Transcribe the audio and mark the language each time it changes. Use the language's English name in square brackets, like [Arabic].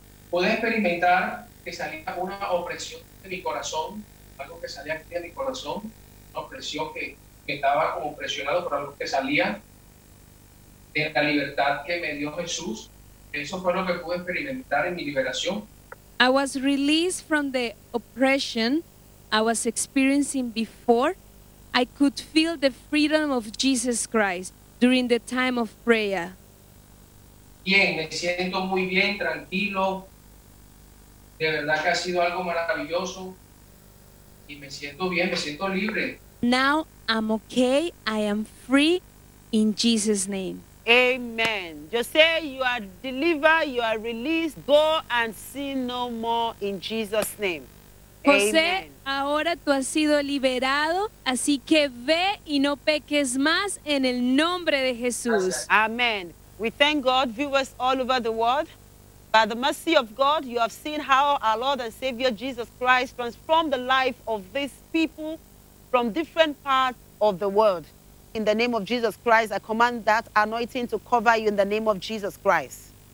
[Spanish] Puedo experimentar que salía una opresión de mi corazón, algo que salía aquí de mi corazón, una opresión que estaba como presionado por algo que salía. De la libertad que me dio Jesús, eso fue lo que pude experimentar en mi liberación. [English] I was released from the oppression I was experiencing before. I could feel the freedom of Jesus Christ. during the time of prayer. [Spanish] Bien, me siento muy bien, tranquilo. De verdad que ha sido algo maravilloso. Y me siento bien, me siento libre. [English] Now I'm okay, I am free in Jesus' name. Amen. Just say you are delivered, you are released, go and sin no more in Jesus' name. [Spanish] José, ahora tú has sido liberado, así que ve y no peques más en el nombre de Jesús. [English] Amen. We thank God, viewers all over the world. By the mercy of God, you have seen how our Lord and Savior Jesus Christ transformed the life of these people from different parts of the world. In the name of Jesus Christ, I command that anointing to cover you in the name of Jesus Christ.